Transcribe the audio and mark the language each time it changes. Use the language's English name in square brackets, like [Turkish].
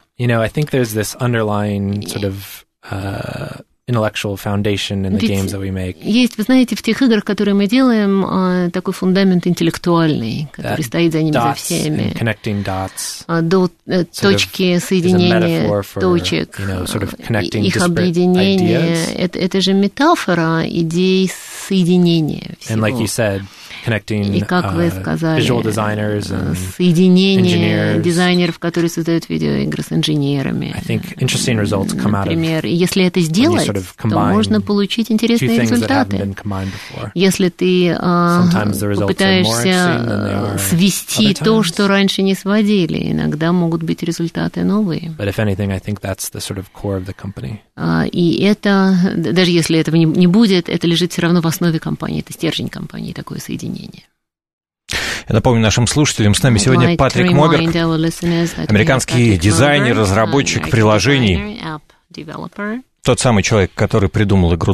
[English] You know, I think there's this underlying sort of intellectual foundation in the games that we make. [Russian] Есть, вы знаете, в тех играх, которые мы делаем, такой фундамент интеллектуальный, который стоит за ними, за всеми. [English] Dots, connecting dots. [Russian] Точки соединения точек. [English] You know, sort of connecting [Russian] их объединение. Это же метафора идей соединения всего. [English] And like you said, connecting, [Russian] и как вы сказали, [English] visual designers and [Russian] соединение [English] engineers. [Russian] Дизайнеров, которые создают видеоигры с инженерами. [English] I think interesting results come out of, [Russian] например, если это сделать, [English] sort of [Russian] то можно получить интересные результаты. Если ты попытаешься свести то, что раньше не сводили, иногда могут быть результаты новые. [English] But if anything, I think that's the sort of core of the company. [Russian] И это, даже если этого не будет, это лежит все равно в основе компании, это стержень компании, такое соединение. Я напомню нашим слушателям, с нами сегодня Патрик Моберг, американский дизайнер, разработчик приложений. Тот самый человек, который придумал игру